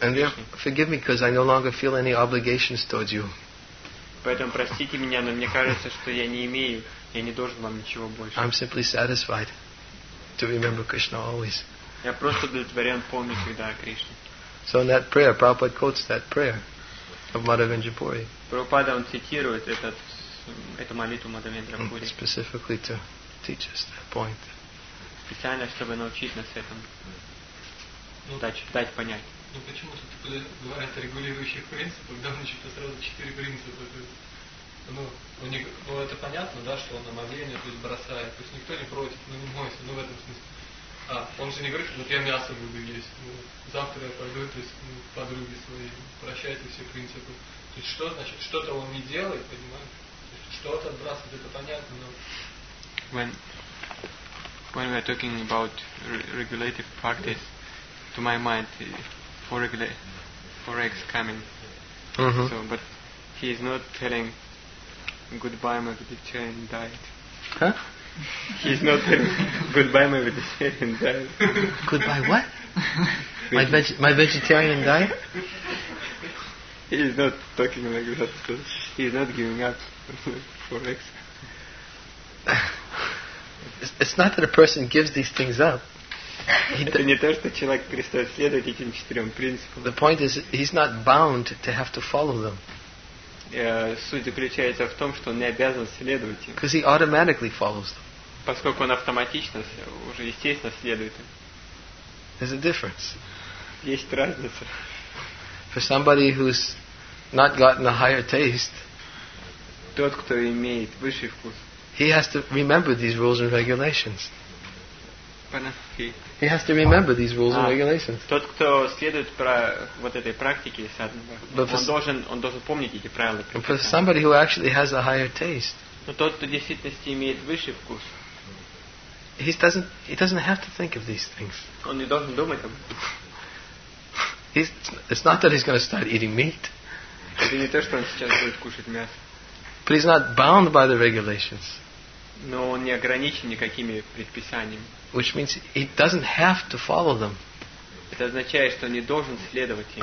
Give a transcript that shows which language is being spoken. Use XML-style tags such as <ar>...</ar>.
<en>And forgive me, because I no longer feel any obligations towards you.</en> <ru>Поэтому простите меня, но мне кажется, что я не должен вам ничего больше.</ru> <en>I'm simply satisfied to remember Krishna always.</en> <ru>Я просто удовлетворен помнить всегда о Кришне.</ru> <en>So in that prayer, Prabhupada quotes that prayer of Madhavendra Puri.</en> <ru>Прабхупада он цитирует эту молитву Мадхавендра Пури.</ru> <en>Specifically to teach us that point.</en> <ru>Специально, чтобы научить нас этому. Дать понять. Ну почему тут говорят о регулирующих принципах, да, значит, сразу четыре принципа. Ну, это понятно, да, что он омовение, то есть бросает. То есть никто не против, но не моется, в этом смысле. А он же не говорит, что вот я мясо буду есть. Ну, завтра я пойду, то есть подруги свои, прощайте все принципы. То есть что значит, что-то он не делает, понимаете? То есть что-то отбрасывает, это понятно, но.</ru> <en>When we are talking about regulative practice, to my mind, forex coming. Mm-hmm. So, but he is not telling goodbye my vegetarian diet. Huh? He is not telling goodbye my vegetarian diet. Goodbye what? my vegetarian diet. He is not talking like that. So he is not giving up forex. It's not that a person gives these things up. The point is, he's not bound to have to follow them.</en> <ru>Суть заключается в том, что он не обязан следовать им.</ru> <en>Because he automatically follows them.</en> <ru>поскольку он автоматично уже естественно следует им.</ru> <en>There's a difference.</en> <ru>Есть разница.</ru> <en>For somebody who's not gotten a higher taste,</en> <ru>тот, кто имеет высший вкус,</ru> <en>he has to remember these rules and regulations.</en> <ru>Понятно.</ru> <en>He has to remember these rules and regulations.</en> <ru>Тот, кто следует вот этой практике, он должен помнить эти правила.</ru> <en>But for somebody who actually has a higher taste,</en> <ru>но тот, кто в действительности имеет высший вкус,</ru> <en>he doesn't have to think of these things.</en> <ru>Он не должен думать об этом.</ru> <en>It's not that he's going to start eating meat.</en> <ru>Это не то, что он сейчас будет кушать мясо.</ru> <en>But he's not bound by the regulations.</en> <ru>Но он не ограничен никакими предписаниями.</ru> <en>Which means he doesn't have to follow them.</en> <ru>Это означает, что он не должен следовать им.</ru>